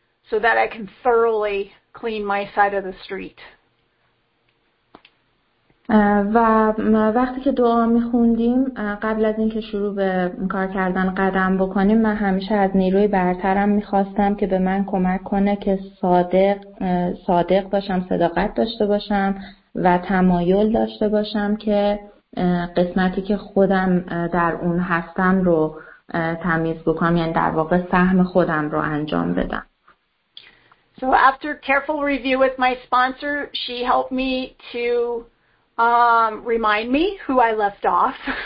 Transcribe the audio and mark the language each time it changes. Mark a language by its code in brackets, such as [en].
[en] So that I can thoroughly clean my side of the street. [fa] و وقتی که دعا می‌خوندیم قبل از اینکه شروع به کار کردن قدم بکنیم، من همیشه از نیروی برترم می‌خواستم که به من کمک کنه که صادق باشم، صداقت داشته باشم و تمایل داشته باشم که قسمتی که خودم در اون هستم رو تمیز بکنم، یعنی در واقع سهم خودم رو انجام بدم. [en] So after careful review with my sponsor, she helped me to remind me who I left off.